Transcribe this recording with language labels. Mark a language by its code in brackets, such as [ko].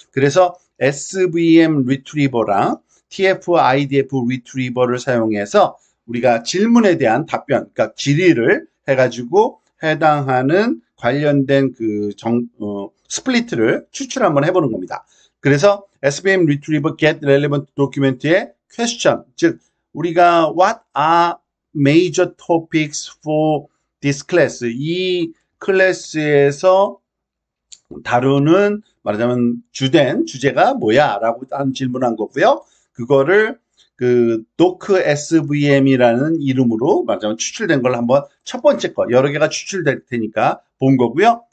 [ko] 그래서 SVM 리트리버랑 TF, IDF 리트리버를 사용해서 우리가 질문에 대한 답변, 그러니까 질의를 해가지고 해당하는 관련된 스플리트를 추출 한번 해보는 겁니다. 그래서 [en] SVM Retriever Get Relevant Document의 question, [ko] 즉 우리가 [en] What are major topics for this class? [ko] 이 클래스에서 다루는 말하자면 주제가 뭐야?라고 한 질문한 거고요. 그거를 그 Doc SVM이라는 이름으로 말하자면 추출된 걸 한번 첫 번째 거 여러 개가 추출될 테니까 본 거고요.